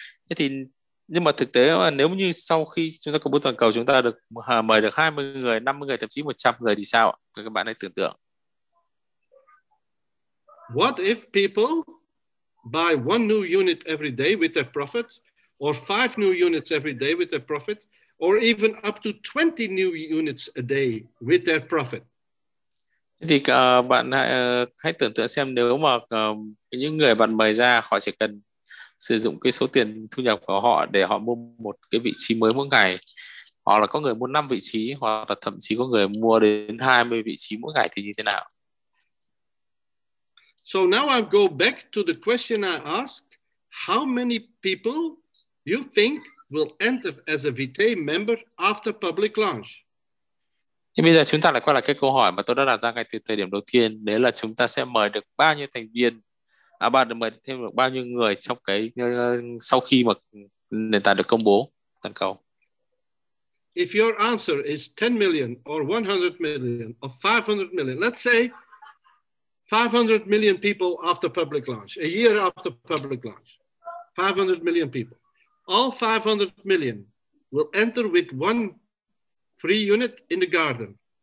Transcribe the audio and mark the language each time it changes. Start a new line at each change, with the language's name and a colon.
Vietnamese: Thế thì nhưng mà thực tế là nếu như sau khi chúng ta công bố toàn cầu chúng ta được mời được 20 người, 50 người, thậm chí 100 người thì sao? Các bạn hãy tưởng tượng.
English: What if people buy one new unit every day with their profit, or 5 new units every day with their profit, or even up to 20 new units a day with their profit?
Vietnamese: Thì bạn hãy tưởng tượng xem, nếu mà những người bạn mời ra họ chỉ cần sử dụng cái số tiền thu nhập của họ để họ mua một cái vị trí mới mỗi ngày, hoặc là có người mua 5 vị trí, hoặc là thậm chí có người mua đến 20 vị trí mỗi ngày, thì như thế nào?
English: So now I go back to the question I asked, how many people you think will enter as a Vitae member after public launch?
Vietnamese: Thì bây giờ chúng ta lại quay lại cái câu hỏi mà tôi đã đặt ra ngay từ thời điểm đầu tiên, đấy là chúng ta sẽ mời được bao nhiêu thành viên, bạn được mời thêm được bao nhiêu người trong cái sau khi mà nền tảng được công bố toàn cầu.
English: if your answer is 10 million or 100 million or 500 million, let's say 500 million people after public launch, a year after public launch, 500 million people. All 500 million will enter with one free unit in the garden.